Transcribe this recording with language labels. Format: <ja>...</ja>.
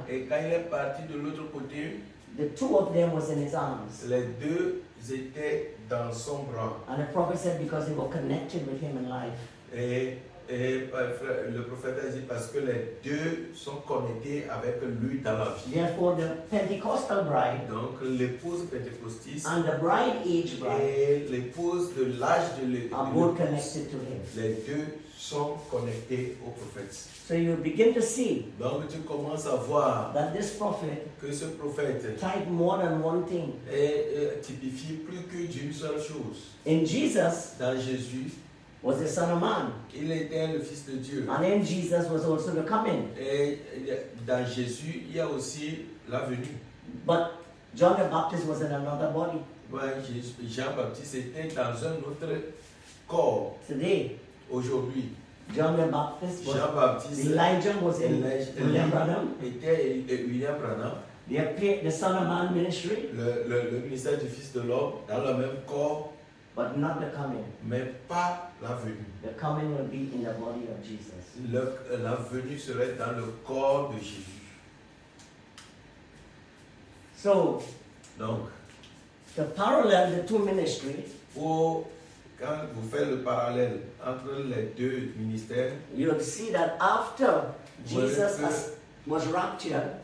<fr>et quand il est parti de l'autre côté,</fr> <en>the two of them was in his arms.</en> <fr>Les deux étaient dans son bras.</fr> <en>And the prophet said because they were connected with him in life.</en> <fr>Et le prophète a dit parce que les deux sont connectés avec lui dans la vie.</fr> <en>Therefore, the Pentecostal bride,</en> <fr>donc l'épouse pentecostiste,</fr> <en>and the bride age bride,</en> <fr>et l'épouse de l'âge de l'épouse, les deux sont connectés au prophète.</fr> <en>So you begin to see,</en> <fr>donc tu commences à voir,</fr> <en>that this prophet,</en> <fr>que ce prophète,</fr> <en>type more than one thing,</en> <fr>typifie plus que d'une seule chose.</fr> <en>In Jesus,</en> <fr>dans Jésus,</fr> <en>was the Son of Man.</en> <fr>Il était le Fils de Dieu.</fr> <en>And then Jesus was also the coming.</en> <fr>Et dans Jésus, il y a aussi la venue.</fr> <en>But John the Baptist was in another body.</en> <fr>Ouais, Jean-Baptiste était dans un autre corps.</fr> <en>Today.</en> <fr>Aujourd'hui.</fr> <en>John the Baptist was.</en> <fr>Jean-Baptiste.</fr> <en>Elijah was in William Branham.</en> <fr>Était William Branham.</fr> <en>The Son of Man ministry.</en> <fr>Le ministère du Fils de l'Homme dans le même corps.</fr> <en>But not the coming.</en> <fr>Mais pas la venue.</fr> <en>The coming will be in the body of Jesus.</en> <fr>La venue serait dans le corps de Jésus.</fr> <en>So,</en> <fr>donc,</fr> <en>the parallel, the two ministries.</en> <fr>Pour, quand vous faites le parallèle entre les deux ministères,</fr> <en>you'll see that after Jesus was raptured,</en>